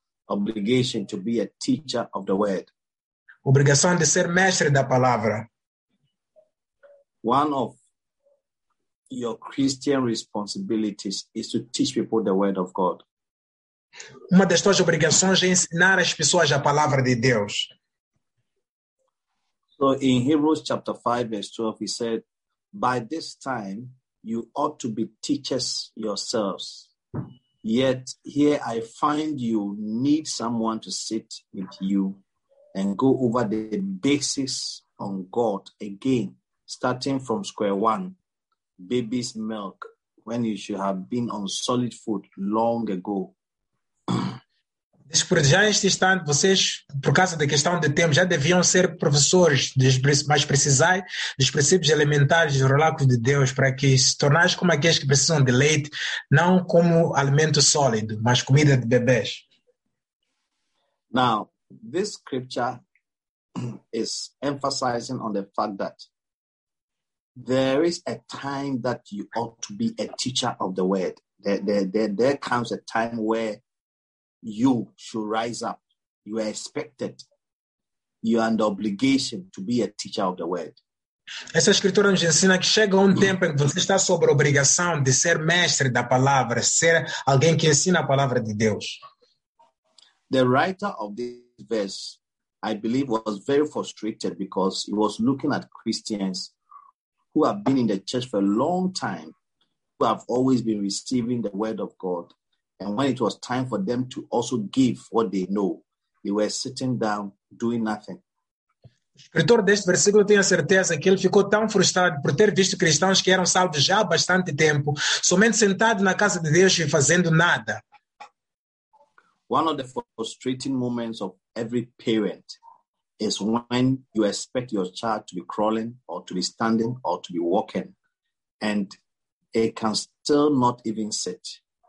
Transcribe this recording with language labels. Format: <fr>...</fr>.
<en>Obligation to be a teacher of the word.</en> <pt>Obrigação de ser mestre da palavra.</pt> <en>One of your Christian responsibilities is to teach people the word of God.</en> <pt>Uma das tuas obrigações é ensinar as pessoas a palavra de Deus.</pt> <en>So in Hebrews chapter 5 verse 12 he said, by this time you ought to be teachers yourselves. Yet here I find you need someone to sit with you and go over the basics on God again, starting from square one, baby's milk, when you should have been on solid food long ago.</en> <pt>Já neste instante, vocês, por causa da questão de tempo, já deviam ser professores, mais precisais dos princípios elementares do relato de Deus, para que se tornais como aqueles que precisam de leite, não como alimento sólido, mas comida de bebês.</pt> <en>Now, this scripture is emphasizing on the fact that there is a time that you ought to be a teacher of the word. There comes a time where you should rise up. You are expected. You are under obligation to be a teacher of the word.</en> <pt>Essa escritura nos ensina que chega tempo em que você está sob obrigação de ser mestre da palavra, ser alguém que ensina a palavra de Deus.</pt> <en>The writer of this verse, I believe, was very frustrated because he was looking at Christians who have been in the church for a long time, who have always been receiving the word of God. And when it was time for them to also give what they know, they were sitting down doing nothing.</en> <pt>O escritor deste versículo tem a certeza que ele ficou tão frustrado por ter visto cristãos que eram salvos já há bastante tempo, somente sentados na casa de Deus e fazendo nada.</pt> <en>One of the frustrating moments of every parent is when you expect your child to be crawling or to be standing or to be walking, and it can still not even sit.</en>